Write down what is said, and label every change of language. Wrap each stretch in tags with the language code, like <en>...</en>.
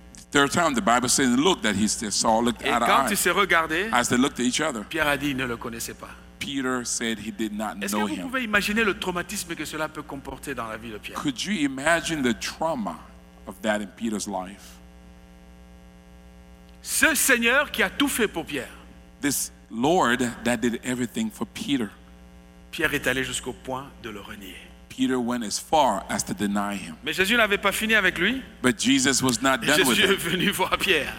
<en>Third time, the Bible says, look, that he still saw, looked at eye.</en> <fr>Et quand ils se regardaient.</fr> <en>As they looked at each other.</en> <fr>Pierre a dit, il ne le connaissait pas.</fr> <en>Peter said he did not know him.</en> <fr>Est-ce que vous pouvez imaginer le traumatisme que cela peut comporter dans la vie de Pierre?</fr> <en>Could you imagine the trauma of that in Peter's life?</en> <fr>Ce Seigneur qui a tout fait pour Pierre.</fr> <en>This Lord that did everything for Peter.</en> <fr>Pierre est allé jusqu'au point de le renier.</fr> <en>Peter went as far as to deny him.</en> <fr>Mais Jésus n'avait pas fini avec lui.</fr> <en>But Jesus was not done with him.</en> <fr>Jésus est venu voir Pierre.</fr>